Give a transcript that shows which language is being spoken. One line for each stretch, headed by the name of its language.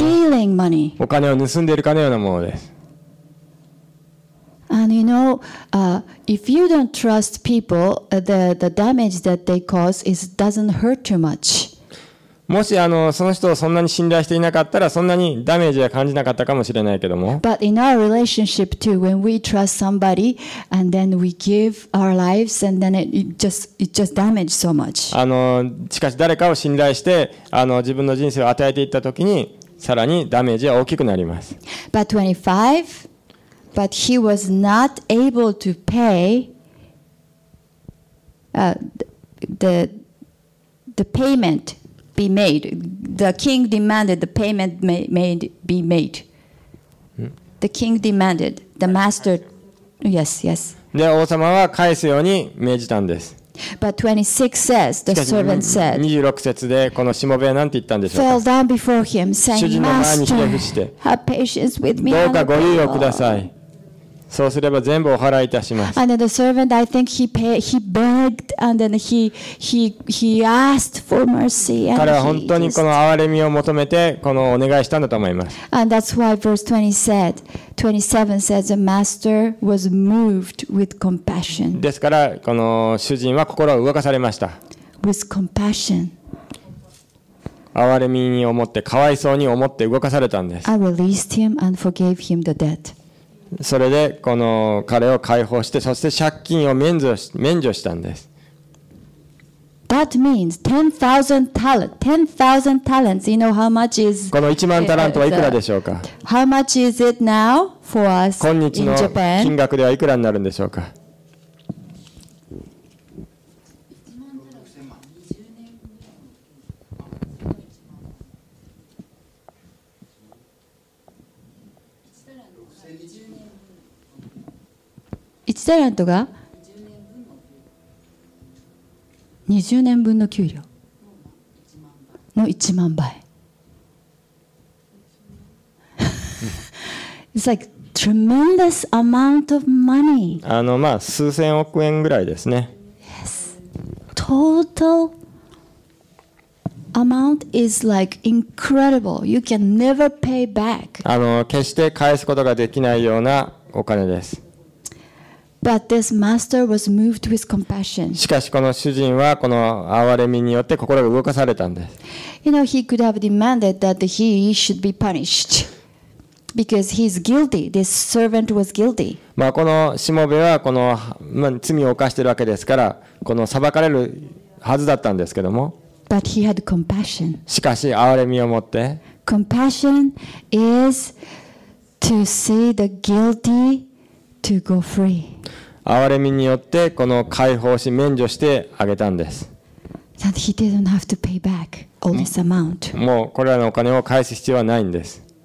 English: Like stealing money.
Japanese: お金を盗んでいるかのようなものです。
English: And you know, if you don't trust people, the damage that they cause is doesn't hurt too much.
Japanese: もしその人をそんなに信頼していなかったらそんなにダメージは感じなかったかもしれないけども。
English: But in our relationship too, when we trust somebody and then we give our lives and then it just damages so much.
Japanese: しかし誰かを信頼して自分の人生を与えていったときにさらにダメージは大きくなります。
English: But 25. But he was not able to pay the payment be made. The king demanded the payment made be made. The king demanded the master. Yes, yes.
Japanese: で、王様は返すように命じたんです。
English: But 26 says the servant said.
Japanese: 26節でこのしもべはなんて言ったんでしょうか。
English: Fell down before him, saying, "Master, have patience with me."
Japanese: どうかご猶予ください。そうすれば全部お払いいたします。
English: And the servant, I think he begged and then he asked for mercy.
Japanese: 彼は本当にこの憐れみを求めてこのお願いしたんだと思います。
English: And that's why verse 20 said, 27 says the master was moved with compassion.
Japanese: ですからこの主人は心を動かされました。
English: With compassion.
Japanese: 憐れみに思って、かわいそうに思って動かされたんです。
English: I released him and forgave him the debt.
Japanese: それでこの彼を解放して、そして借金を免除したんです。
English: That means 10,000 talents. 10,000 talents. You know how much is
Japanese: この1万タラントはいくらでしょうか。
English: How much is it now for us in Japan?
Japanese: 今日の金額ではいくらになるんでしょうか。 1タラントが20年分の給料の1万倍。
English: It's like tremendous amount of money.
Japanese: まあ数千億円ぐらいですね。
English: Yes. Total amount is like incredible. You can never pay back.
Japanese: 決して返すことができないようなお金です。
English: But this master was moved with compassion.
Japanese: しかしこの主人はこの憐れみによって心が動かされたんです。
English: You know, he could have demanded that he should be punished because he's guilty. This servant was guilty.
Japanese: まあこのしもべはこの、まあ、罪を犯しているわけですから、この裁かれるはずだったんですけども。
English: But he had compassion.
Japanese: しかし憐れみを持って。
English: Compassion is to see the guilty. To go free.
Japanese: 憐れみによってこの解放し免除してあげたんです。
English: That he didn't have to pay back all this amount.
Japanese: もうこれらのお金を返す必要はないんです。